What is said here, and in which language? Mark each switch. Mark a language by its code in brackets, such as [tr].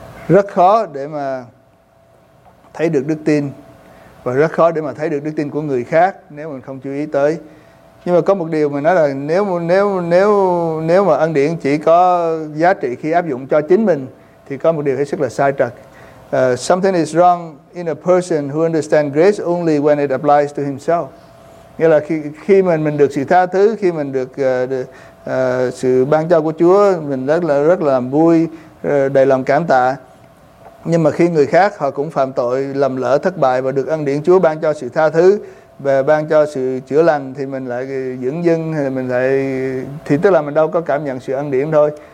[vi] rất khó để mà thấy được đức tin, và rất khó để mà thấy được đức tin của người khác nếu mình không chú ý tới. Nhưng mà có một điều mình nói là nếu mà ân điển chỉ có giá trị khi áp dụng cho chính mình thì có một điều hết sức là sai trật. [en] Something is wrong in a person who understands grace only when it applies to himself. [vi] Nghĩa là khi mình được sự tha thứ, khi mình được sự ban cho của Chúa, mình rất là vui, đầy lòng cảm tạ. Nhưng mà khi người khác họ cũng phạm tội, lầm lỡ, thất bại và được ân điển Chúa ban cho sự tha thứ và ban cho sự chữa lành, thì mình lại dửng dưng, thì tức là mình đâu có cảm nhận sự ân điển thôi.